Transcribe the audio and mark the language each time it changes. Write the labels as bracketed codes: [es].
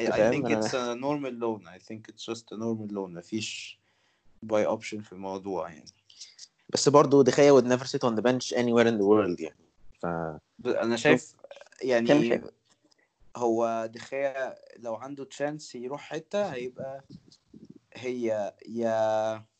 [en] I think it's just a normal loan. [ar] مفيش buy option في الموضوع يعني. بس برضو [en] De Gea would never sit on the bench anywhere in the world يعني. [ar] أنا شايف يعني هو De Gea لو عنده chance يروح حتة هيبقى هي يا